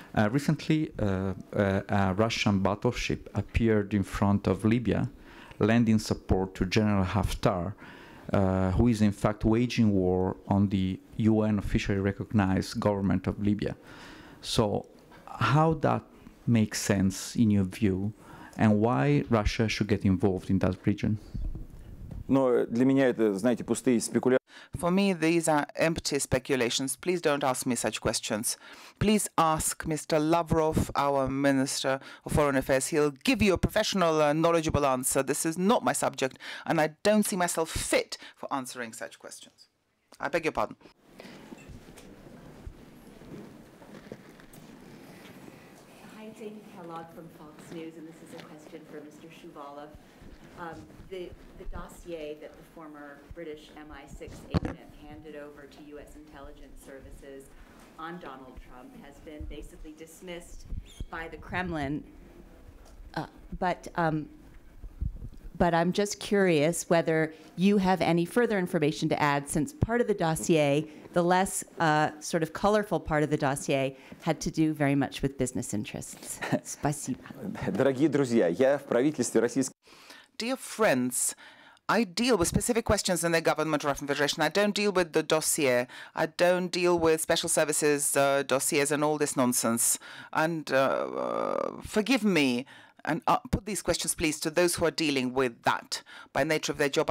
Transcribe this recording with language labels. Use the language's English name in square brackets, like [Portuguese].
[English] Recently, a Russian battleship appeared in front of Libya, lending support to General Haftar, who is in fact waging war on the UN officially recognized government of Libya. So how that makes sense in your view, and why Russia should get involved in that region? Но для меня это, знаете, пустые спекуляции. For me, these are empty speculations. Please don't ask me such questions. Please ask Mr. Lavrov, our Minister of Foreign Affairs. He'll give you a professional and knowledgeable answer. This is not my subject, and I don't see myself fit for answering such questions. I beg your pardon. Hi, it's Amy Kellogg from Fox News, and this is a question for Mr. Shuvalov. The dossier that the former British MI6 agent handed over to U.S. intelligence services on Donald Trump has been basically dismissed by the Kremlin. But I'm just curious whether you have any further information to add, since part of the dossier, the less sort of colorful part of the dossier, had to do very much with business interests. [Russian] Спасибо. Дорогие друзья, я в правительстве российской. [English] Dear friends, I deal with specific questions in the government of Russian Federation. I don't deal with the dossier. I don't deal with special services dossiers and all this nonsense. And forgive me, and put these questions, please, to those who are dealing with that by nature of their job.